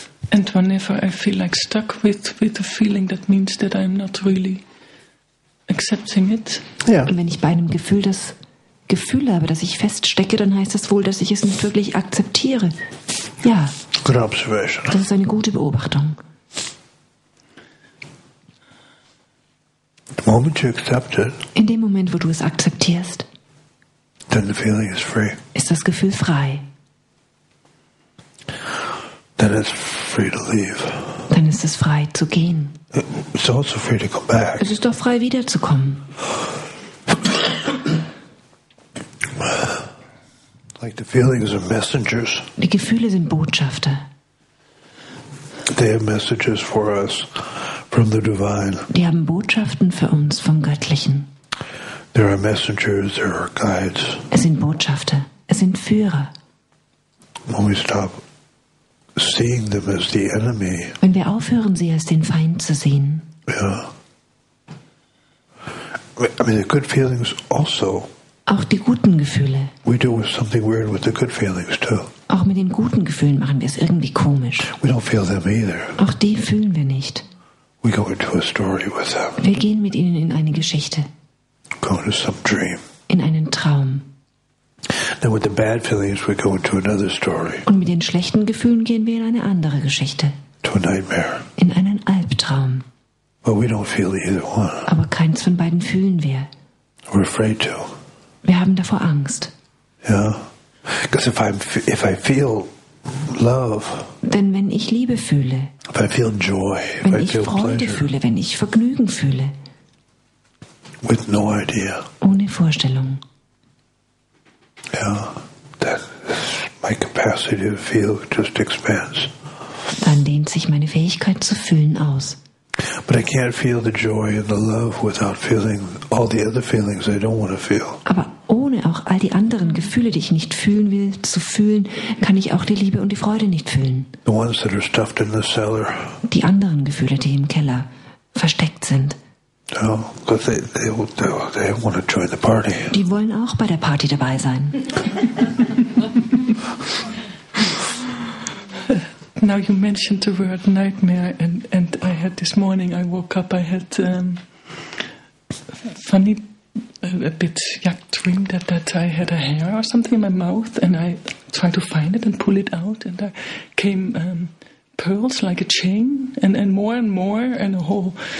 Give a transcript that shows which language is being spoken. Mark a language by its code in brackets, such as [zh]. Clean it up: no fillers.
[en] And whenever I feel like stuck with a feeling, that means that I'm not really accepting it. [de] Ja. Und wenn ich bei einem Gefühl das Gefühl habe, dass ich feststecke, dann heißt das wohl, dass ich es nicht wirklich akzeptiere. Ja. [en] Good observation. [de] Das ist eine gute Beobachtung. [en] The moment you accept it, [de] in dem Moment, wo du es akzeptierst, [en] then the feeling is free. [de] Ist das Gefühl frei. [en] Then it's free to leave. [de] Dann ist es frei zu gehen. [en] It's also free to come back. [de] Es ist doch frei wiederzukommen. [en] Like the feelings are messengers. [de] Die Gefühle sind Botschafter. [en] They have messages for us from the divine. [de] Die haben Botschaften für uns vom Göttlichen. [en] There are messengers, there are guides. [de] Es sind Botschafter, es sind Führer. [en] When we stop seeing them as the enemy. [de] Wenn wir aufhören, sie als den Feind zu sehen. [en] Yeah. I mean, the good feelings also. [de] Auch die guten Gefühle. [en] We do something weird with the good feelings too. [de] Auch mit den guten Gefühlen machen wir es irgendwie komisch. [en] We don't feel them either. [de] Auch die fühlen wir nicht. [en] We go into a story with them. [de] Wir gehen mit ihnen in eine Geschichte. [en] Go into some dream. [de] In einen Traum. [en] Then with the bad feelings we go into another story. [de] Und mit den schlechten Gefühlen gehen wir in eine andere Geschichte. [en] To a nightmare. [de] In einen Albtraum. [en] But we don't feel either one. [de] Aber keins von beiden fühlen wir. [en] We're afraid to. [de] Wir haben davor Angst. [en] Ja. Because if I feel love. [de] Denn wenn ich Liebe fühle. [en] If I feel joy. [de] Wenn ich Freude fühle, wenn ich Vergnügen fühle. [en] With no idea. [de] Ohne Vorstellung. [en] Ja. Then my capacity to feel just expands. [de] Dann dehnt sich meine Fähigkeit zu fühlen aus. [en] But I can't feel the joy and the love without feeling all the other feelings I don't want to feel. [de] Aber ohne auch all die anderen Gefühle, die ich nicht fühlen will, zu fühlen, kann ich auch die Liebe und die Freude nicht fühlen. [en] The ones that are stuffed in the cellar. [de] Die anderen Gefühle, die im Keller versteckt sind. [en] No, because they want to join the party. [de] Die wollen auch bei der Party dabei sein. [en] Now you mentioned the word nightmare, and I had this morning, I woke up, I had funny, a bit yuck dream that I had a hair or something in my mouth, and I tried to find it and pull it out, and there came pearls like a chain, and more, and a whole...